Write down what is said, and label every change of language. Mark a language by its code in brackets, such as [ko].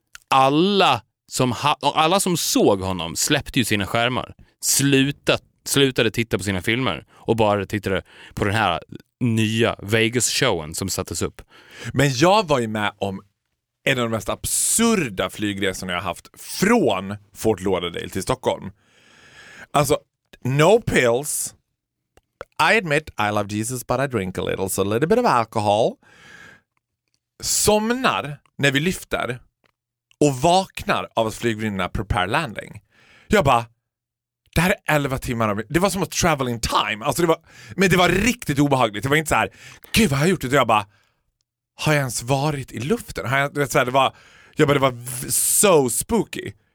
[sv] Alla som såg honom släppte ju sina skärmar, slutade titta på sina filmer och bara tittade på den här nya Vegas-showen som sattes upp. Men jag var ju med om en av de mest absurda flygresorna jag haft från Fort Lauderdale till Stockholm. Alltså, [en] no pills, I admit I love Jesus but I drink a little. So a little bit of alcohol. [sv] Somnar när vi lyfter och vaknar av att flygvärdinna [en] prepare landing. [sv] Jag bara, det här är 11 timmar. Det var som att [en] travel in time. [sv] Alltså det var, men det var riktigt obehagligt. Det var inte så här, gud vad har jag gjort? Och jag bara, har jag ens varit i luften? Har jag, det, så här, det var, jag bara, det var [en] so spooky.